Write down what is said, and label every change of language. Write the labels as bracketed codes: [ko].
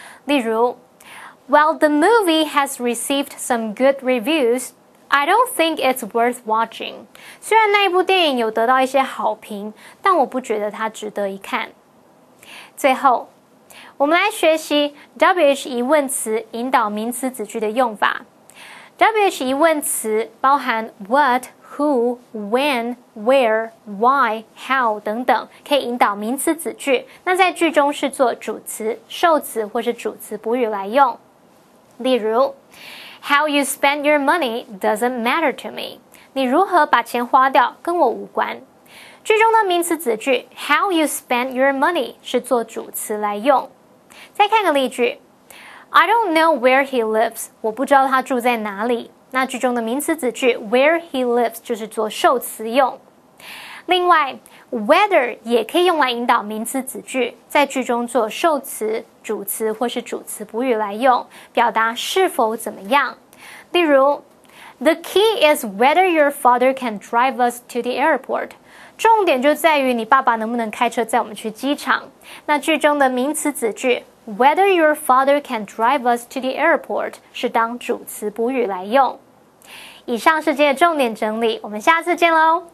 [zh] 例如 [en] ，While the movie has received some good reviews. I don't think it's worth watching. [zh] 虽然那一部电影有得到一些好评，但我不觉得它值得一看。最后，我们来学习 WH 疑问词引导名词子句的用法。 WH 疑问词包含 [en] what, who, when, where, why, how [zh] 等等，可以引导名词子句。那在句中是做主词、受词或是主词补语来用。例如 [en] How you spend your money doesn't matter to me. [zh] 你如何把钱花掉跟我无关。句中的名词子句 [en] How you spend your money [zh] 是做主词来用。再看个例句 [en] I don't know where he lives. [zh] 我不知道他住在哪里。那句中的名词子句 [en] Where he lives [zh] 就是做受词用。另外 Whether 也可以用来引导名词子句，在句中做受词、主词或是主词补语来用，表达是否怎么样。例如 [en] The key is whether your father can drive us to the airport. [zh] 重点就在于你爸爸能不能开车载我们去机场。那句中的名词子句 [en] Whether your father can drive us to the airport [zh] 是当主词补语来用。以上是今天的重点整理，我们下次见咯。